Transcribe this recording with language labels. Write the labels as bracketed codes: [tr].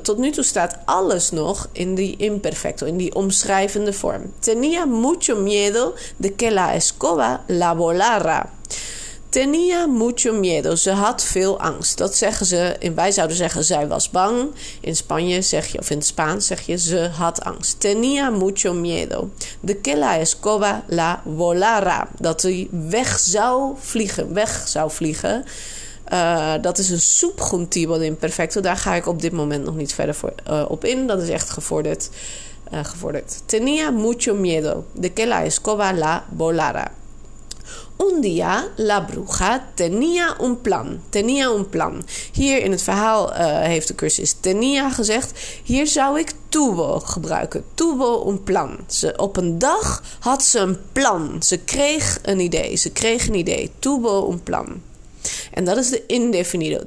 [nl] Tot nu toe staat alles nog in die imperfecto, in die omschrijvende vorm. [es] Tenía mucho miedo de que la escoba la volara. Tenía mucho miedo. [nl] Ze had veel angst. Dat zeggen ze, en wij zouden zeggen, zij was bang. In Spanje zeg je, of in Spaans zeg je, ze had angst. [es] Tenía mucho miedo de que la escoba la volara. [nl] Dat hij weg zou vliegen. Weg zou vliegen. Dat is een subjuntivo de imperfecto. Daar ga ik op dit moment nog niet verder voor, op in. Dat is echt gevorderd. [es] Tenía mucho miedo de que la escoba la volara. Un día la bruja tenía un plan. Tenía un plan. [nl] Hier in het verhaal heeft de cursus tenía gezegd. Hier zou ik tuvo gebruiken. [es] Tuvo un plan. [nl] Ze, op een dag had ze een plan. Ze kreeg een idee. [es] Tuvo un plan. [nl] En dat is de indefinido.